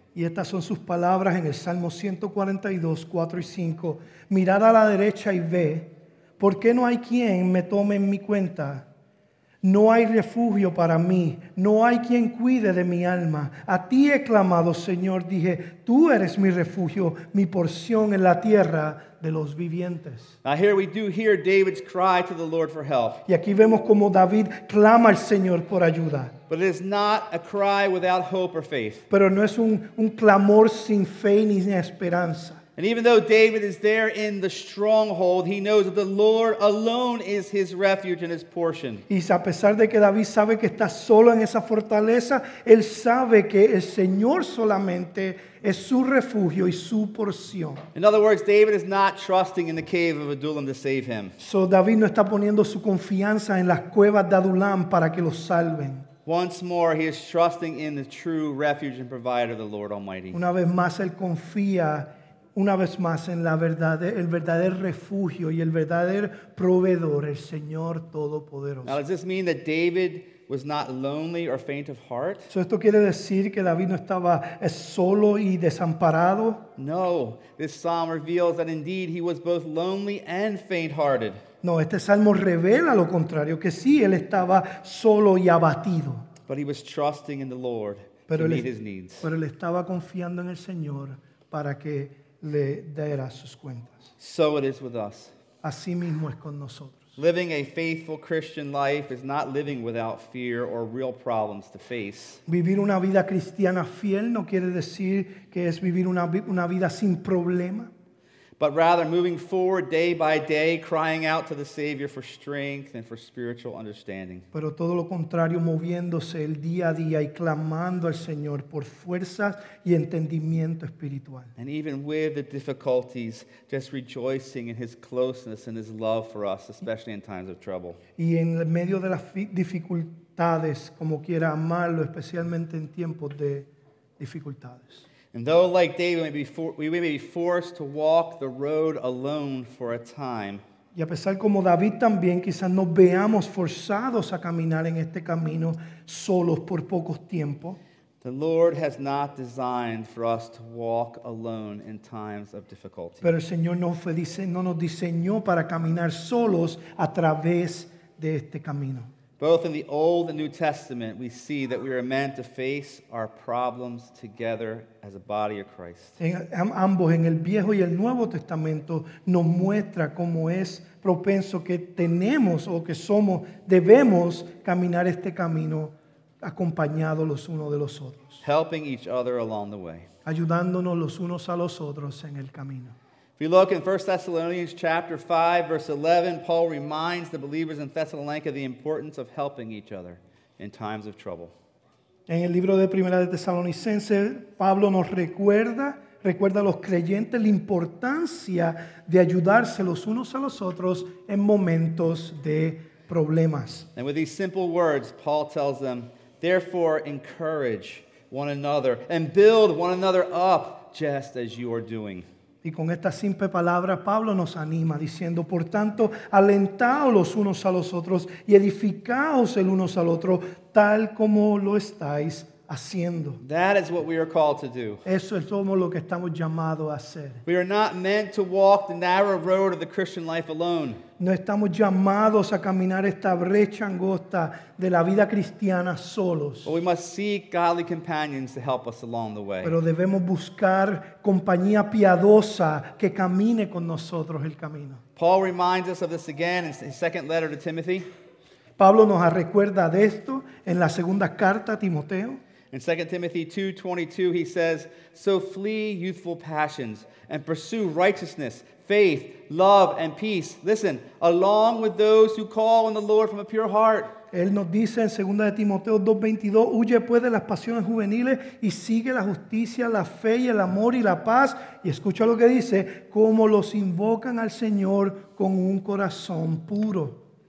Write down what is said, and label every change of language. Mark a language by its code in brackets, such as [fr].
[es] Y estas son sus palabras en el Salmo 142, 4 y 5. Mirad a la derecha y ve, ¿por qué no hay quien me tome en mi cuenta? No hay refugio para mí, no hay quien cuide de mi alma. A ti he clamado, Señor, dije, tú eres mi refugio, mi porción en la tierra de los vivientes. [en] Now here we do hear David's cry to the Lord for help. [es] Y aquí vemos como David clama al Señor por ayuda. [en] But it is not a cry without hope or faith. [es] Pero no es un clamor sin fe ni sin esperanza. [en] And even though David is there in the stronghold, he knows that the Lord alone is his refuge and his portion. [es] Y a pesar de que David sabe que está solo en esa fortaleza, él sabe que el Señor solamente es su refugio y su porción. [en] In other words, David is not trusting in the cave of Adullam to save him. [es] So David no está poniendo su confianza en las cuevas de Adullam para que lo salven. [en] Once more, he is trusting in the true refuge and provider, the Lord Almighty. [es] Una vez más, él confía una vez más en la verdad, el verdadero refugio y el verdadero proveedor, el Señor Todopoderoso. [en] Now, does this mean that David was not lonely or faint of heart? [es] So esto quiere decir que David no estaba solo y desamparado? [en] No, this psalm reveals that indeed he was both lonely and faint-hearted. [es] No, este salmo revela lo contrario, que sí, él estaba solo y abatido. [en] But he was trusting in the Lord to meet his needs. [es] Pero él estaba confiando en el Señor para que le diera sus cuentas. [en] So it is with us. [es] Así mismo es con nosotros. [en] Living a faithful Christian life is not living without fear or real problems to face. [es] Vivir una vida cristiana fiel no quiere decir que es vivir una vida sin problema. [en] But rather moving forward day by day, crying out to the Savior for strength and for spiritual understanding. [es] Pero todo lo contrario, moviéndose el día a día y clamando al Señor por fuerzas y entendimiento espiritual. [en] And even with the difficulties, just rejoicing in His closeness and His love for us, especially in times of trouble. [es] Y en medio de las dificultades, como quiera amarlo, especialmente en tiempos de dificultades. [en] And though, like David, we may be forced to walk the road alone for a time. [es] Y a pesar como David también, quizás nos veamos forzados a caminar en este camino solos por pocos tiempo. [en] The Lord has not designed for us to walk alone in times of difficulty. [es] Pero el Señor no nos diseñó para caminar solos a través de este camino. [en] Both in the Old and New Testament, we see that we are meant to face our problems together as a body of Christ. [es] Ambos, en el Viejo y el Nuevo Testamento, nos muestra cómo es propenso que tenemos o que somos, debemos caminar este camino acompañados los unos de los otros. [en] Helping each other along the way. [es] Ayudándonos los unos a los otros en el camino. [en] If you look in 1 Thessalonians chapter 5, verse 11, Paul reminds the believers in Thessalonica the importance of helping each other in times of trouble. [es] En el libro de Primera de Tesalonicenses, Pablo nos recuerda a los creyentes la importancia de ayudarse los unos a los otros en momentos de problemas. [en] And with these simple words, Paul tells them, therefore encourage one another and build one another up just as you are doing. [es] Y con esta simple palabra, Pablo nos anima diciendo, por tanto, alentaos los unos a los otros y edificaos el unos al otro tal como lo estáis haciendo. [en] That is what we are called to do. [es] Eso es todo lo que estamos llamados a hacer. [en] We are not meant to walk the narrow road of the Christian life alone. [es] No estamos llamados a caminar esta brecha angosta de la vida cristiana solos. [en] But we must seek godly companions to help us along the way. [es] Pero debemos buscar compañía piadosa que camine con nosotros el camino. [en] Paul reminds us of this again in his second letter to Timothy. [es] Pablo nos recuerda de esto en la segunda carta a Timoteo. [en] In 2 Timothy 2:22 he says, "So flee youthful passions and pursue righteousness, faith, love and peace." Listen, along with those who call on the Lord from a pure heart. [es] Él nos dice en 2 Timoteo 2:22, "Huye pues de las pasiones juveniles y sigue la justicia, la fe y el amor y la paz." Y escucha lo que dice, "como los invocan al Señor con un corazón puro."